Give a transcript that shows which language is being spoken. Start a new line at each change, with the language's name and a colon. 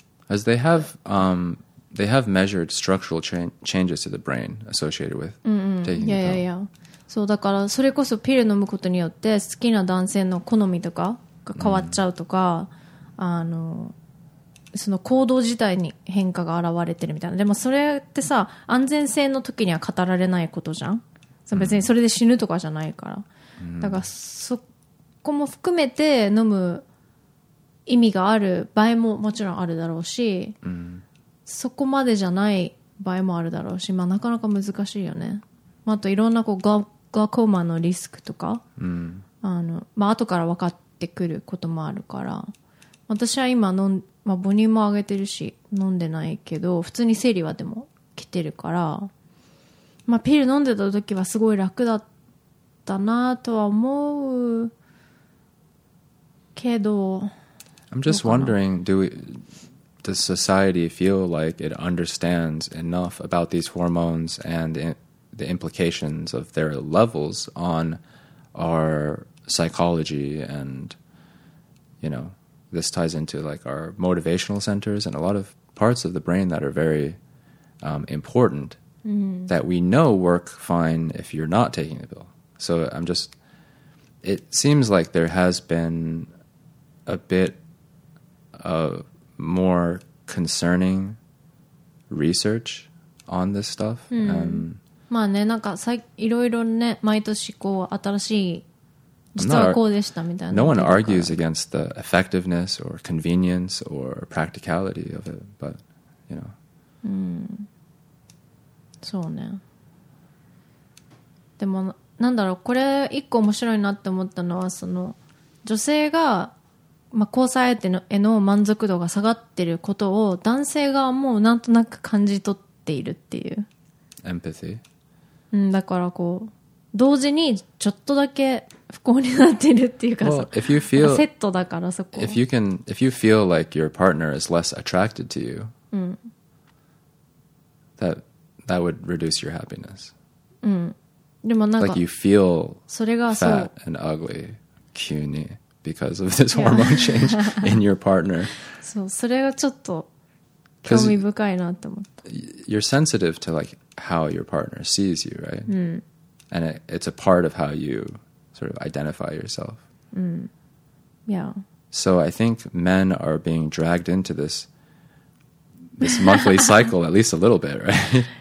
English: As they have、they have measured structural changes to the brain associated with taking the pill. Yeah, yeah, yeah.
Japanese: そう、だからそれこそピル飲むことによって好きな男性の好みとかが変わっちゃうとか、あの、その行動自体に変化が現れてるみたいな。でもそれってさ、安全性の時には語られないことじゃん。その別にそれで死ぬとかじゃないから。だからそこも含めて飲む意味がある場合ももちろんあるだろうし、そこまでじゃない場合もあるだろうし、まあ、なかなか難しいよね。あといろんなこうガコーマのリスクとか、うん、あの、まあ後から分かってくることもあるから、私は今飲ん、まあ、母乳も上げてるし飲んでないけど、普通に生理はでも来てるから、まあ、ピル飲んでた時はすごい楽だったなとは思うけど、
English: I'm just wondering, do we... Does society feel like it understands enough about these hormones and the implications of their levels on our psychology? And, you know, this ties into like our motivational centers and a lot of parts of the brain that are very important、 mm-hmm. that we know work fine if you're not taking the pill. So I'm just, it seems like there has been a bit of more. Concerning research on this stuff.、
Japanese: うん、まあね、なんかさ、いろいろね、毎年こう新しい、実はこうでしたみたいな。
English: No one argues against the effectiveness or convenience or practicality of it, but you know.
Japanese: うん、そうね。でもなんだろう、これ一個面白いなって思ったのは、その女性が。まあ、交際相手のへの満足度が下がってることを男性側もなんとなく感じ取っているっていう。エンパシー。うん、だからこう同時にちょっとだけ不幸になっているっていうかさ。
English: Well, if you feel,
Japanese: セットだからそこ。
English: If you can, if you feel like your partner is less attracted to you,、
Japanese: うん、
English: that would reduce your happiness.
Japanese: うん。でもなんか。
English: Like you feel
Japanese: それがそう
English: fat and ugly,
Japanese: 急に。
English: Because of this hormone change in your partner.
Japanese: そう、それがちょっと興味深いなって思った。
English: You're sensitive to like how your partner sees you, right?
Japanese: うん。
English: And it's a part of how you sort of identify yourself.
Japanese: うん。
English: Yeah. So I think men are being dragged into this monthly cycle at least a little bit, right?